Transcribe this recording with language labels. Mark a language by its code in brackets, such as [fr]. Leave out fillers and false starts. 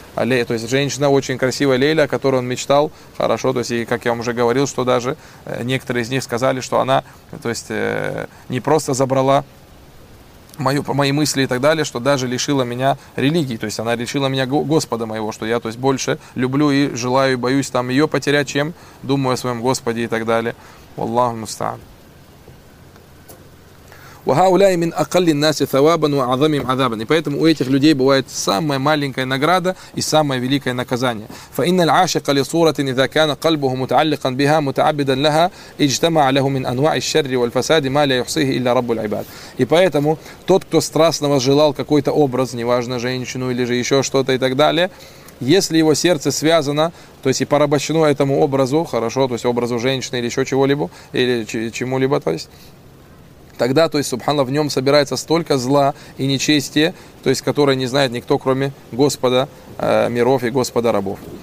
[ru] То есть, женщина очень красивая Лейля, о которой он мечтал хорошо, то есть, и, как я вам уже говорил, что даже некоторые из них сказали, что она, то есть, не просто забрала мои мысли и так далее, что даже лишила меня религии, то есть она лишила меня Господа моего, что я, то есть, больше люблю и желаю, и боюсь там ее потерять, чем думаю о своем Господе и так далее. Валлаху мустаан. [ar] وهؤلاء من أقل الناس ثوابا وأعظمهم عذابا. [ru] И поэтому у этих людей бывает самая маленькая награда и самое великое наказание. [ar] فإن العاشق لصورة إذا كان قلبه متعلقا بها متعبدا لها اجتمع له من أنواع الشر والفساد ما لا يحصيه إلا رب العباد. [ru] И поэтому тот, кто страстно возжелал какой-то образ, неважно женщину или же еще что-то и так далее, если его сердце связано, то есть и порабощено этому образу, хорошо, то есть образу женщины или еще чего-либо, или чему-либо, то есть, тогда, то есть, субханна, в нем собирается столько зла и нечестия, то есть, которое не знает никто, кроме Господа миров и Господа рабов.